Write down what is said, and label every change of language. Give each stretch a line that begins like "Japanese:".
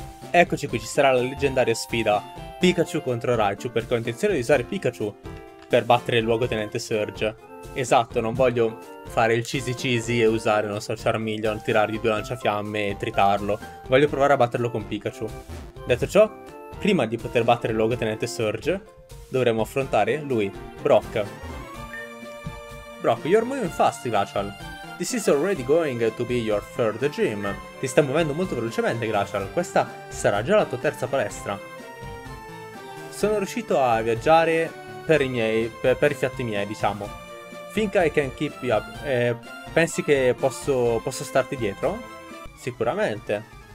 Italian: Eccoci qui, ci sarà la leggendaria sfida Pikachu contro Raichu, perché ho intenzione di usare Pikachu per battere il luogotenente Surge. Esatto, non voglio fare il cheesy cheesy e usare, non so, Charmeleon, tirargli due lanciafiamme e tritarlo. Voglio provare a batterlo con Pikachu. Detto ciò, prima di poter battere il luogotenente Surge, dovremo affrontare lui, Brock.
English: Brock, you're moving fast, Glacial. This is already going to be your third gym.
Italian: Ti stai muovendo molto velocemente, Glacial. Questa sarà già la tua terza palestra. Sono riuscito a viaggiare per i fatti miei, diciamo.
English: Think I can keep you up.
Italian: Pensi che posso starti dietro? Sicuramente.